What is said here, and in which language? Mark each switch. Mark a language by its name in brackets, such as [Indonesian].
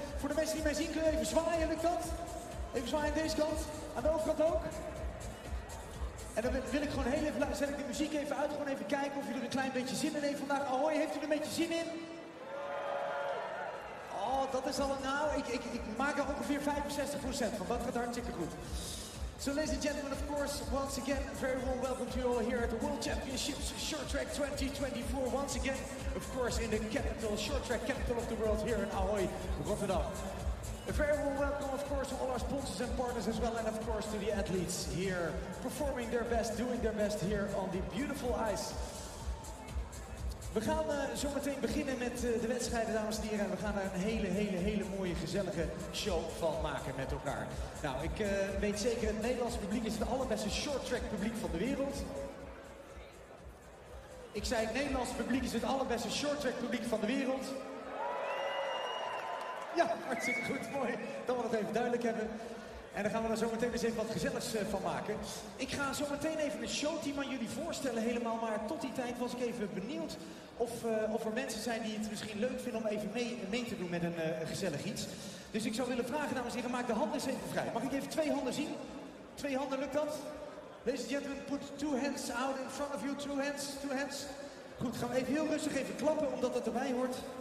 [Dutch] Voor de mensen die mij zien, kun je even zwaaien aan de kant. Even zwaaien aan deze kant, aan de overkant ook. En dan wil ik gewoon heel even, zet ik de muziek even uit, gewoon even kijken of jullie er een klein beetje zin in hebben vandaag. Ahoy, heeft u er een beetje zin in? Oh, dat is al een nou. Ik maak er ongeveer 65% van. Dat gaat hartstikke goed. [English] So, ladies and gentlemen, of course, once again, a very warm welcome to you all here at the World Championships Short Track 2024. Once again, of course, in the capital, short track capital of the world here in Ahoy, Rotterdam. A very warm welcome, of course, to all our sponsors and partners as well, and of course, to the athletes here performing their best, doing their best here on the beautiful ice. [Dutch] We gaan zometeen beginnen met de wedstrijden, dames en heren. En we gaan daar een hele mooie, gezellige show van maken met elkaar. Nou, ik weet zeker, het Nederlands publiek is het allerbeste shorttrack publiek van de wereld. Ik zei, het Nederlands publiek is het allerbeste shorttrack publiek van de wereld. Ja, hartstikke goed, mooi. Dan wil ik het even duidelijk hebben. En dan gaan we er zometeen eens even wat gezelligs van maken. Ik ga zometeen even een showteam aan jullie voorstellen helemaal. Maar tot die tijd was ik even benieuwd of er mensen zijn die het misschien leuk vinden om even mee te doen met een gezellig iets. Dus ik zou willen vragen, dames en heren, maak de handen eens even vrij. Mag ik even twee handen zien? Twee handen, lukt dat? [English] Ladies and gentlemen, put two hands out in front of you. Two hands. [Dutch] Goed, gaan we even heel rustig even klappen, omdat dat erbij hoort.